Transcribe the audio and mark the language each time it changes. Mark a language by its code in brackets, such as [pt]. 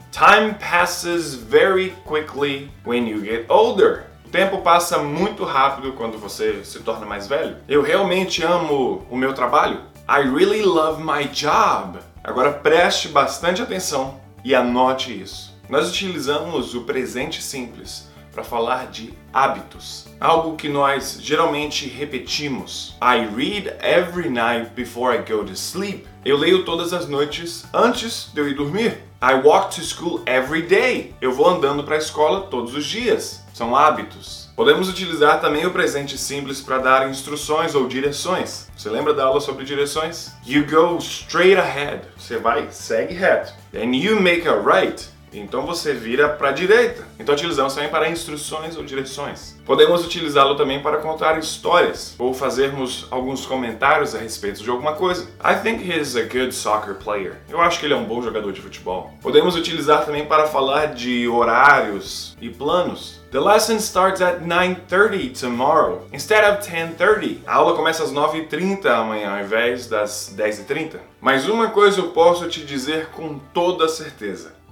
[en] Time passes very quickly when you get older. [pt] O tempo passa muito rápido quando você se torna mais velho. Eu realmente amo o meu trabalho. [en] I really love my job. [pt] Agora preste bastante atenção e anote isso. Nós utilizamos o presente simples para falar de hábitos, algo que nós geralmente repetimos. [en] I read every night before I go to sleep. [pt] Eu leio todas as noites antes de eu ir dormir. [en] I walk to school every day. [pt] Eu vou andando para a escola todos os dias. São hábitos. Podemos utilizar também o presente simples para dar instruções ou direções. Você lembra da aula sobre direções? [en] You go straight ahead. [pt] Você vai, segue reto. [en] Then you make a right. [pt] Então você vira para a direita. Então utilizamos também para instruções ou direções. Podemos utilizá-lo também para contar histórias ou fazermos alguns comentários a respeito de alguma coisa. [en] I think he is a good soccer player. [pt] Eu acho que ele é um bom jogador de futebol. Podemos utilizar também para falar de horários e planos. [en] The lesson starts at 9:30 tomorrow instead of 10:30. [pt] A aula começa às 9:30 amanhã ao invés das 10:30. Mas uma coisa eu posso te dizer com toda certeza.